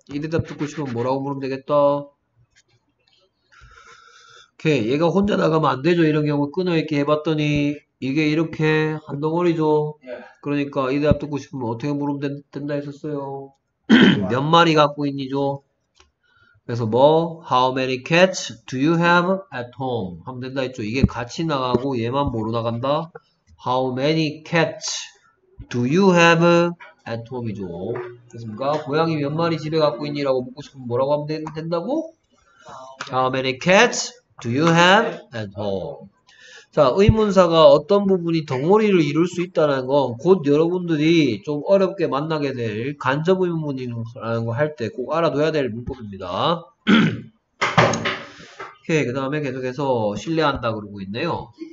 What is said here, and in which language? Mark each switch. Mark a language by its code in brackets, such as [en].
[ko] 이 대답 듣고 싶으면 뭐라고 물으면 되겠다. 오케이. 얘가 혼자 나가면 안 되죠. 이런 경우 끊어 있게 해봤더니 이게 이렇게 한 덩어리죠. 예. 그러니까 이 대답 듣고 싶으면 어떻게 물으면 된다 했었어요. 몇 좋아. 마리 갖고 있니죠? 그래서 뭐, [en] how many cats do you have at home? [ko] 하면 된다 했죠. 이게 같이 나가고 얘만 뭐로 나간다? [en] How many cats do you have at home이죠. [ko] 됐습니까? 고양이 몇 마리 집에 갖고 있니라고 묻고 싶으면 뭐라고 하면 된다고? [en] How many cats do you have at home? [ko] 자, 의문사가 어떤 부분이 덩어리를 이룰 수 있다는 건곧 여러분들이 좀 어렵게 만나게 될 간접 의문문이라는 거할때꼭 알아둬야 될 문법입니다. 오케이, 그 다음에 계속해서 신뢰한다 그러고 있네요.